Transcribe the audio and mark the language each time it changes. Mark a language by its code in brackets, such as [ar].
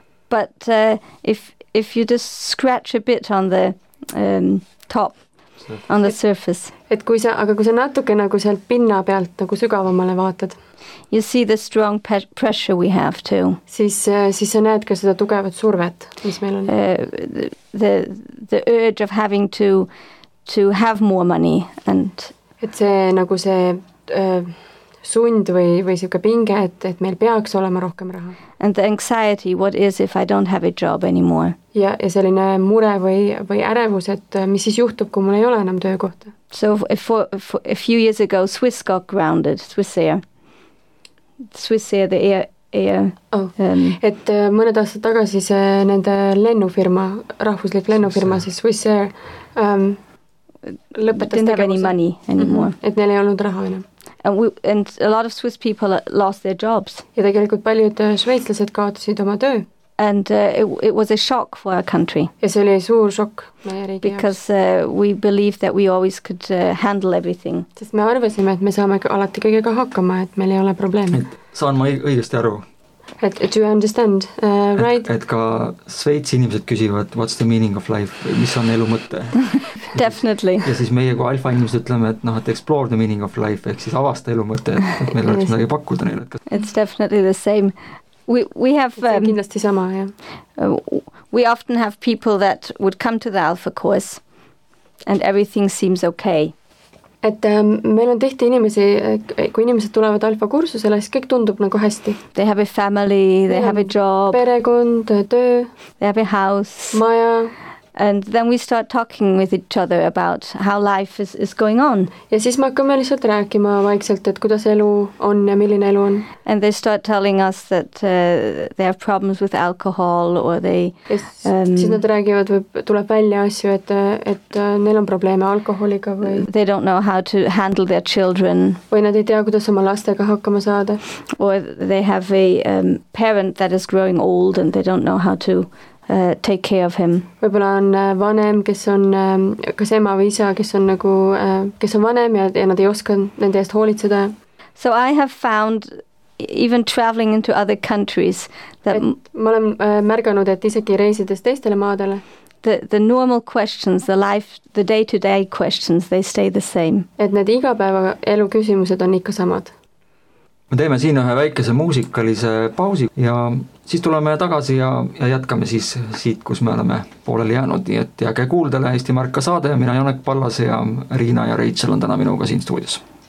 [en] But if you just scratch a bit on the top on the surface, [et] et kui sa, aga kui sa natuke nagu sealt pinna pealt nagu sügavamale vaatad, [en] you see the strong pressure we have to, [et] siis sa näed ka seda tugevat survet, mis meil on, [en] the urge of having to have more money, and [et] et see nagu see sund või siuke pinge, et meil peaks olema rohkem raha. [en] And the anxiety, what is if I don't have a job anymore? [et] Ja selline mure või ärevus, et mis siis juhtub, kui mul ei ole enam töökohta. [en] So if a few years ago Swiss got grounded, Swissair the air. [et] Et mõned aastat tagasi see nende lennufirma, rahvuslik lennufirma, siis Swissair lõpetas tegevuse. [en] Didn't have any money anymore. Mm-hmm. [et] Et neil ei olnud raha enam. [en] And a lot of Swiss people lost their jobs. [et] Ja tegelikult paljud sveitslased kaotasid oma töö. [en] And it was a shock for our country. [et] Ja see oli suur šok meie riigi. [en] Because we believed that we always could handle everything. [et] Sest me arvasime, et me saame alati kõigega hakkama, et meil ei ole probleemi. Saan ma õigesti aru. [en] Do you understand, right? [et] Et ka Sveitsi inimesed küsivad, [en] what's the meaning of life? [et] Mis on elu mõte? [en] Definitely. [et] Ja siis meie kui alfa inimesed ütleme, et [en] explore the meaning of life, [et] ehk siis avasta elu mõte, et meil oleks midagi pakkuda neile. [en] It's definitely the same. We have... [et] See on kindlasti sama, jah. [en] We often have people that would come to the alpha course and everything seems okay. [et] Et meil on tihti inimesi, kui inimesed tulevad alfa kursusele, siis kõik tundub nagu hästi. [en] They have a family, they have a job. [et] Perekond, töö. [en] They have a house. [et] Maja. [en] And then we start talking with each other about how life is going on. [et] Ja siis me hakkame lihtsalt rääkima vaikselt, et kuidas elu on ja milline elu on. [en] And they start telling us that they have problems with alcohol or they... [et] Siis nad räägivad või tuleb välja asju, et neil on probleeme alkoholiga või... [en] They don't know how to handle their children. [et] Või nad ei tea, kuidas oma lastega hakkama saada. [en] Or they have a parent that is growing old and they don't know how to... take care of him. [et] Võib-olla on vanem, kes on kas ema või isa, kes on nagu kes on vanem ja nad ei oska nende eest hoolitseda. [en] So I have found even traveling into other countries. [et] Ma olen märganud, et isegi reisides teistele maadele. [en] The normal questions, the life, the day-to-day questions, they stay the same. [et] Et need igapäeva elu küsimused on ikka samad. Me teeme siin ühe väikese muusikalise pausi ja siis tuleme tagasi ja jätkame siis siit, kus me oleme pooleli jäänud. Nii et jääge kuuldele Eesti Marka saade ja mina Janek Pallas ja Riina ja Rachel on täna minuga siin stuudios.